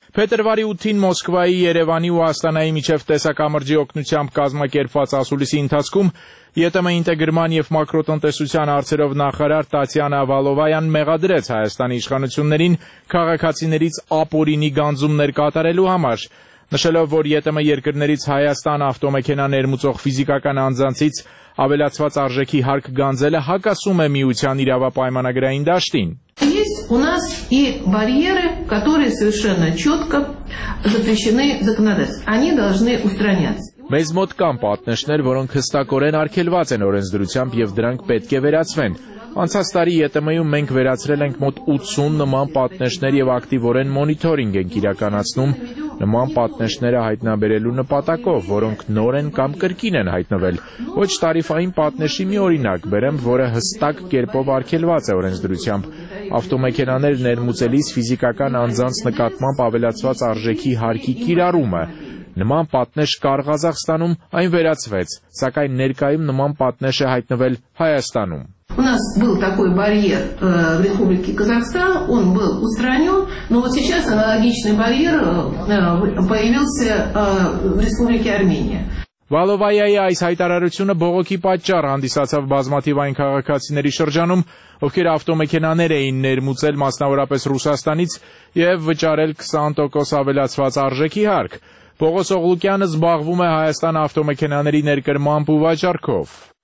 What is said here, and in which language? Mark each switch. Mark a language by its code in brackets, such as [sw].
[hy] Փետրվարի 8-ին Մոսկվայի, Երևանի ու Աստանայի միջև տեսակամրջի օգնությամբ կազմակերպված ասուլիսի ընթացքում ԵՏՄ ինտեգրման և մակրոտնտեսության հարցերով նախարար Տատյանա Վալովայան մեղադրեց Հայաստանի իշխանություններին քաղաքացիներից ապօրինի գանձումներ կատարելու համար, նշելով, որ ԵՏՄ երկրներից Հայաստան ավտոմեքենա ներմուծող ֆիզիկական անձանցից ավելացված արժեքի հարկ գանձելը հակասում է միության իրավապայմանագրային դաշտին։ [ru] Есть у нас и барьеры, которые совершенно четко запрещены законодательством. Они должны устраняться. [hy] Մեզ մոտ կան պատնեշներ, որոնք հստակորեն արգելված են օրենսդրությամբ և դրանք պետք է վերացվեն։ Անցած տարի ԵՏՄ-ում մենք վերացրել ենք մոտ 80 նման պատնեշներ և ակտիվորեն մոնիթորինգ ենք իրականացնում նման պատնեշները հայտնաբերելու նպատակով, որոնք նոր են կամ կրկին են հայտնվել։ Ոչ տարիֆային պատնեշի մի օրինակ բերեմ, որը հստակ կերպով արգելված է օրենսդրությամբ. ավտոմեքենաներ ներմուծելիս ֆիզիկական անձանց նկատմամբ ավելացված արժեքի հարկի կիրառումը։ Նման պատնեշ կար Ղազախստանում, այն վերացվեց, սակայն ներկայում նման պատնեշ է հայտնվել Հայաստանում։ [ru] У нас был такой барьер в Республике Казахстан, он был устранен, но вот сейчас аналогичный барьер появился в Республике Армения. [hy] Վալովայայի այս հայտարարությունը բողոքի պատճառ հանդիսացավ բազմաթիվ այն քաղաքացիների շրջանում, ովքեր ավտոմեքենաներ էին ներմուծել մասնավորապես Ռուսաստանից և վճարել 20% ավելացված արժեքի հարկ։ Պողոս Օղլուկյանը զբաղվում է Հայաստան ավտոմեքենաների ներկրմամբ ու վաճառքով։